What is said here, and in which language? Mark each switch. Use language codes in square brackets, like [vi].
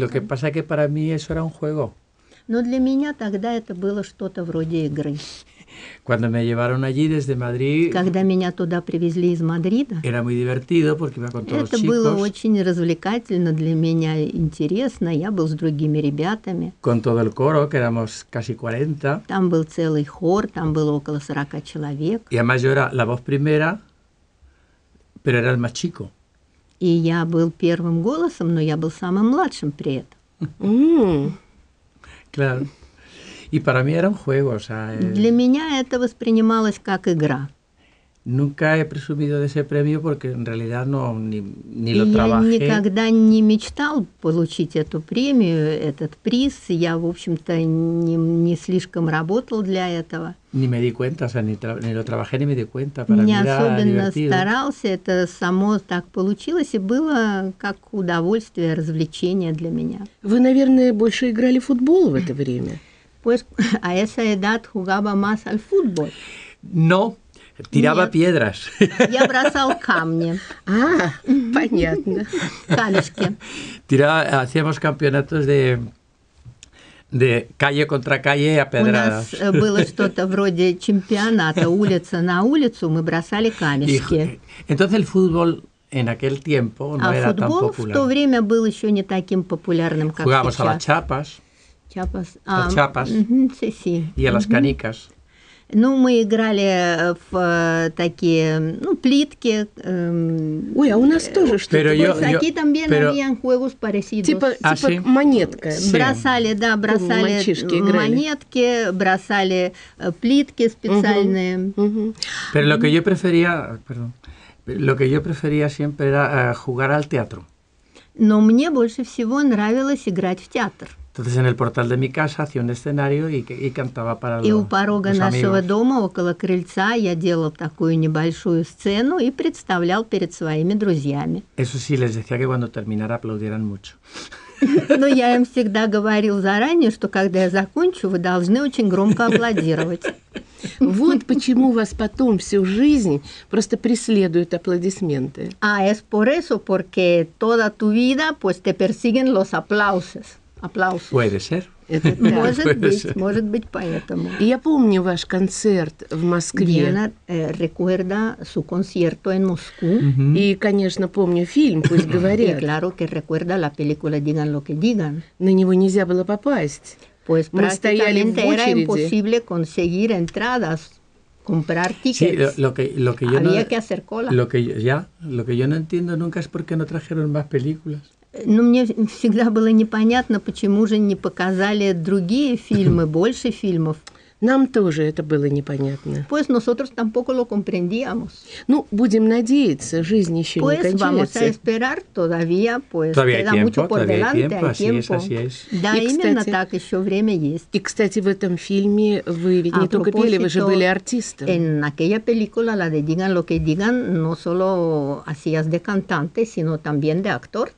[es] Lo que pasa que para mí eso era un juego. [ru] Но для меня тогда это было что-то вроде игры. [es] Cuando me llevaron allí desde Madrid, [ru] когда меня туда привезли из Мадрида, [es] era muy divertido porque iba con todos los chicos. [ru] Это было очень развлекательно для меня, интересно. Я был с другими ребятами. [es] Con todo el coro, que éramos casi 40. [ru] Там был целый хор, там было около 40 человек. [es] Y además yo era la voz primera, pero era el más chico. [ru] И я был первым голосом, но я был самым младшим при этом. [es] Claro. Y para mí era un juego, o sea, [ru] для меня это воспринималось как игра. [es] Nunca he presumido de ese premio porque en realidad no ni lo trabajé. [ru] Я никогда не мечтал получить эту премию, этот приз. Я, в общем-то, не слишком работал для этого. [es] Ni me di cuenta, o sea, ni lo trabajé ni me di cuenta. Para [ru] не особенно старался, это само так получилось и было как удовольствие, развлечение для меня. Вы, наверное, больше играли в футбол в это время? [es] Pues a esa edad jugaba más al fútbol. No, tiraba piedras. [ru] Я бросал камни. Понятно. Камешки. [es] Hacíamos campeonatos de calle contra calle a pedradas. [ru] У нас было что-то вроде чемпионата улица на улицу, мы бросали камешки. [es] Entonces el fútbol en aquel tiempo no era tan popular. [ru] А футбол в то время был еще не таким популярным, как [es] jugábamos [ru] сейчас. [es] Jugábamos a las chapas. Chapas. Las chapas. Sí, sí. Y a las canicas. [ru] Ну, мы играли в такие, ну, плитки. Ой, а у нас тоже что-то. [es] Aquí también habían juegos parecidos. [ru] Типа монетка. Бросали, да, бросали монетки, бросали плитки специальные. [es] Pero lo que yo prefería, perdón, lo que yo prefería siempre era jugar al teatro. [ru] Но мне больше всего нравилось играть в театр. [es] Entonces en el portal de mi casa hacía un escenario y cantaba para los amigos. [ru] И у порога нашего дома, около крыльца, я делал такую небольшую сцену и представлял перед своими друзьями. [es] Eso sí, les decía que cuando terminara aplaudieran mucho. [ru] Но я им всегда говорил заранее, что когда я закончу, вы должны очень громко аплодировать. Вот почему вас потом всю жизнь просто преследуют аплодисменты. [es] А, es por eso, porque toda tu vida pues te persiguen los aplausos. [ru] Аплаус. [es] Puede ser. [ru] Может быть, поэтому. Я помню ваш концерт в Москве. [es] Diana recuerda su concierto en Moscú. [ru] И, конечно, помню фильм, пусть говорят. [es] Y claro que recuerda la película Digan lo que digan. [ru] На него нельзя было попасть. [es] Pues prácticamente era imposible conseguir entradas, comprar tickets. Sí, lo que yo había que hacer cola. Lo que yo no entiendo nunca es por qué no trajeron más películas. [ru] Ну, мне всегда было непонятно, почему же не показали другие фильмы, больше фильмов. Нам тоже это было непонятно. [es] Pues nosotros tampoco lo comprendíamos. [ru] Ну, будем надеяться, жизнь еще [es] pues [ru] не кончается. [es] Pues vamos a esperar todavía, pues todavía queda tiempo, mucho por delante, tiempo, hay tiempo. Así es, así es. [ru] Да, и, именно кстати, так, еще время есть. И, кстати, в этом фильме вы ведь не только пели, вы же были артистом. [es] En aquella película, la de Digan lo que digan, no solo hacías de cantante, sino también de actor.